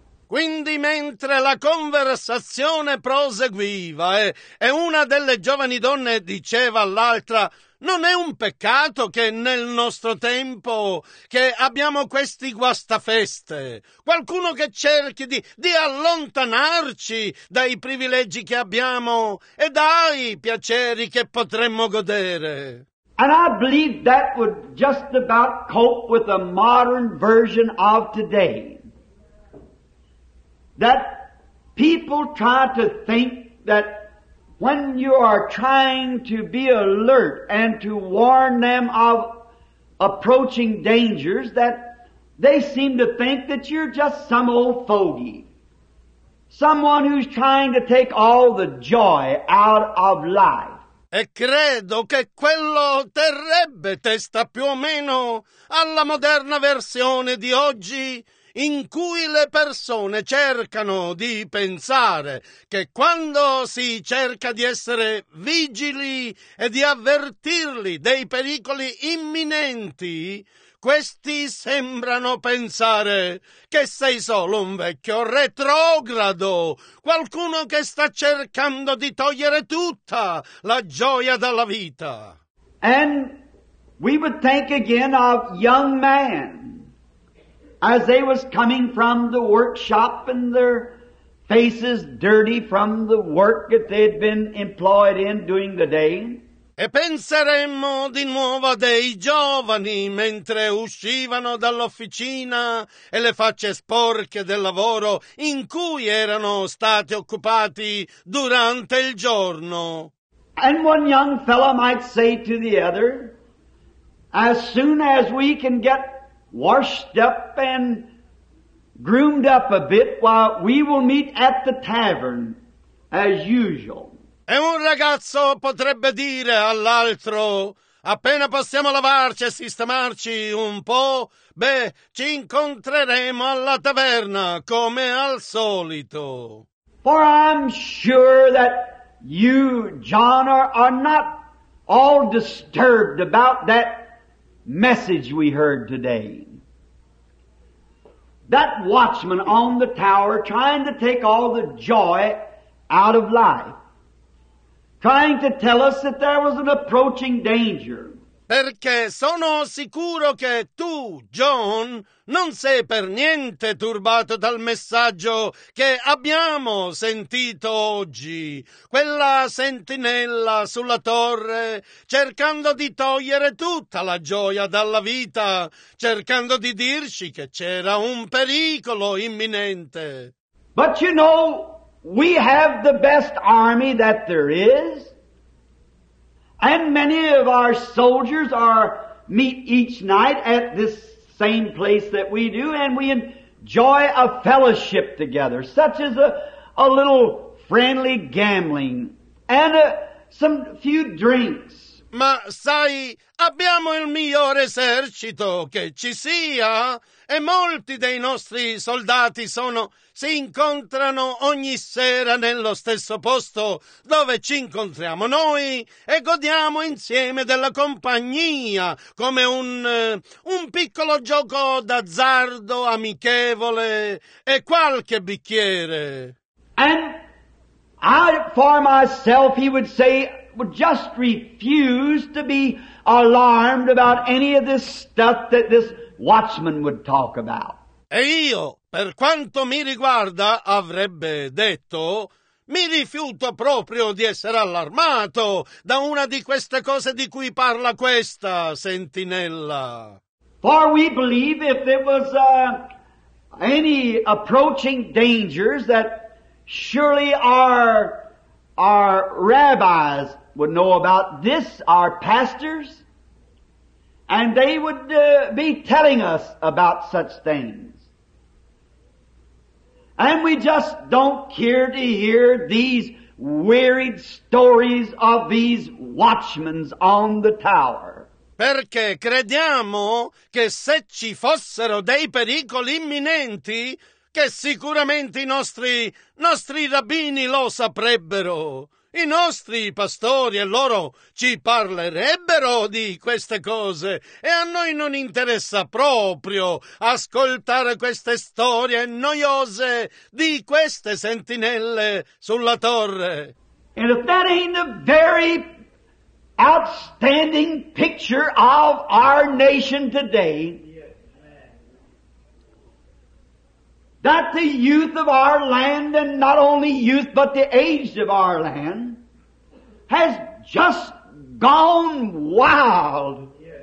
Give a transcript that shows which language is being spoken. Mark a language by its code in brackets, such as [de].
[it] Quindi mentre la conversazione proseguiva e una delle giovani donne diceva all'altra, non è un peccato che nel nostro tempo che abbiamo questi guastafeste, qualcuno che cerchi di allontanarci dai privilegi che abbiamo e dai piaceri che potremmo godere. [en] And I believe that would just about cope with the modern version of today. That people try to think that when you are trying to be alert and to warn them of approaching dangers, that they seem to think that you're just some old fogey. Someone who's trying to take all the joy out of life. [it] E credo che quello terrebbe testa più o meno alla moderna versione di oggi, in cui le persone cercano di pensare che quando si cerca di essere vigili e di avvertirli dei pericoli imminenti, questi sembrano pensare che sei solo un vecchio retrogrado, qualcuno che sta cercando di togliere tutta la gioia dalla vita. [en] And we would think again of young man. As they was coming from the workshop and their faces dirty from the work that they had been employed in during the day. [it] E penseremmo di nuovo a dei giovani mentre uscivano dall'officina e le facce sporche del lavoro in cui erano stati occupati durante il giorno. [en] And one young fellow might say to the other, as soon as we can get washed up and groomed up a bit, while we will meet at the tavern as usual. [it] E un ragazzo potrebbe dire all'altro, appena possiamo lavarci e sistemarci un po', beh, ci incontreremo alla taverna come al solito. [en] For I'm sure that you, John, are not all disturbed about that message we heard today. That watchman on the tower trying to take all the joy out of life, trying to tell us that there was an approaching danger. [it] Perché sono sicuro che tu, John, non sei per niente turbato dal messaggio che abbiamo sentito oggi. Quella sentinella sulla torre, cercando di togliere tutta la gioia dalla vita, cercando di dirci che c'era un pericolo imminente. [en] But you know, we have the best army that there is. And many of our soldiers meet each night at this same place that we do, and we enjoy a fellowship together, such as a little friendly gambling and some few drinks. [it] Ma sai, abbiamo il miglior esercito che ci sia, e molti dei nostri soldati si incontrano ogni sera nello stesso posto dove ci incontriamo noi e godiamo insieme della compagnia come un piccolo gioco d'azzardo amichevole e qualche bicchiere. [en] And I, for myself, he would say, would just refuse to be alarmed about any of this stuff that this watchman would talk about. [it] E io, per quanto mi riguarda, avrebbe detto, mi rifiuto proprio di essere allarmato da una di queste cose di cui parla questa sentinella. [en] For we believe if there was any approaching dangers that surely our rabbis would know about this, our pastors, and they would be telling us about such things. And we just don't care to hear these wearied stories of these watchmen on the tower. [it] Perché crediamo che se ci fossero dei pericoli imminenti, che sicuramente i nostri rabbini lo saprebbero. I nostri pastori e loro ci parlerebbero di queste cose e a noi non interessa proprio ascoltare queste storie noiose di queste sentinelle sulla torre. [en] And if that ain't the very outstanding picture of our nation today, that the youth of our land, and not only youth but the aged of our land, has just gone wild.